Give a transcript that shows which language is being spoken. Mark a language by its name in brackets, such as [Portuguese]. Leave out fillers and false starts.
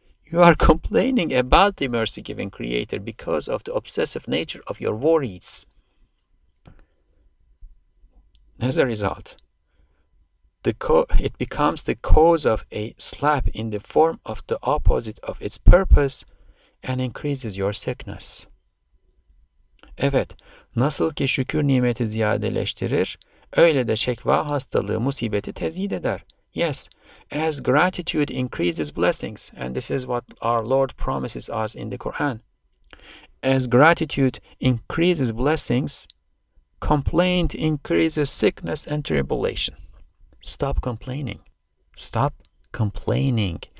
[English] You are complaining about the mercy-giving Creator because of the obsessive nature of your worries. As a result, it becomes the cause of a slap in the form of the opposite of its purpose and increases your sickness. [Turkish] Evet, nasıl ki şükür nimeti ziyadeleştirir, öyle de şekva hastalığı musibeti tezyid eder. [English] Yes, as gratitude increases blessings, and this is what our Lord promises us in the Quran. As gratitude increases blessings, complaint increases sickness and tribulation. Stop complaining. Stop complaining.